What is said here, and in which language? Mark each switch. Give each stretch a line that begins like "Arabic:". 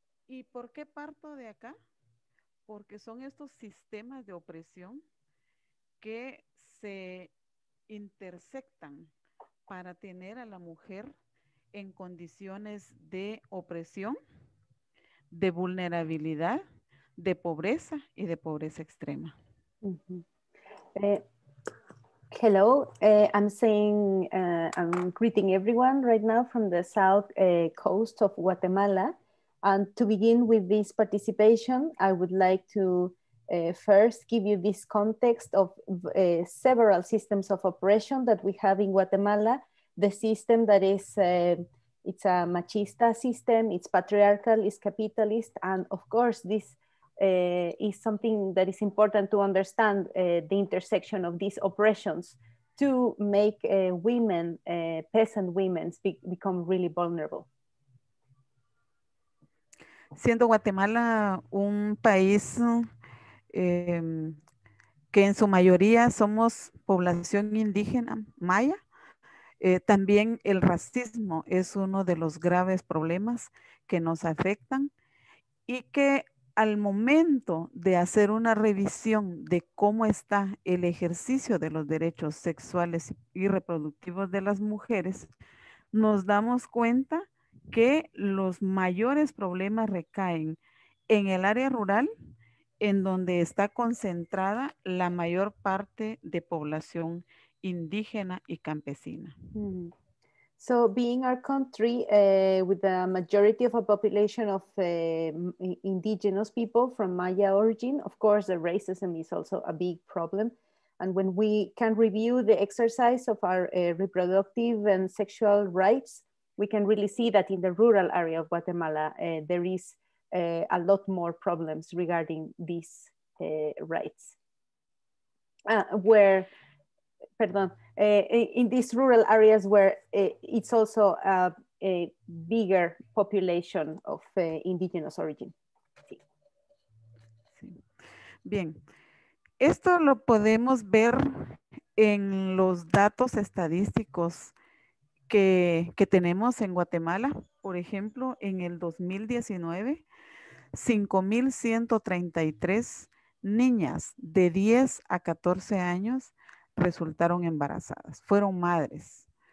Spanish: ¿Y por qué parto de acá? Porque son estos sistemas de opresión que se intersectan para tener a la mujer en condiciones de opresión, de vulnerabilidad, de pobreza y de pobreza extrema. Mm-hmm.
English: Hello, I'm saying, I'm greeting everyone right now from the south coast of Guatemala. And to begin with this participation, I would like to first give you this context of several systems of oppression that we have in Guatemala. The system that is, it's a machista system, it's patriarchal, it's capitalist, and of course, this is something that is important to understand, the intersection of these oppressions to make women, peasant women, become really vulnerable.
Spanish: Siendo Guatemala un país que en su mayoría somos población indígena, maya, también el racismo es uno de los graves problemas que nos afectan y que al momento de hacer una revisión de cómo está el ejercicio de los derechos sexuales y reproductivos de las mujeres, nos damos cuenta que los mayores problemas recaen en el área rural, en donde está concentrada la mayor parte de población indígena y campesina. Mm.
English: So being our country with the majority of a population of indigenous people from Maya origin, of course the racism is also a big problem. And when we can review the exercise of our reproductive and sexual rights, we can really see that in the rural area of Guatemala, there is a lot more problems regarding these rights. In these rural areas where it's also a bigger population of indigenous origin.
Spanish: Sí. Bien, esto lo podemos ver en los datos estadísticos que tenemos en Guatemala. Por ejemplo, en el 2019, 5,133 niñas de 10 a 14 años resultaron embarazadas, fueron madres.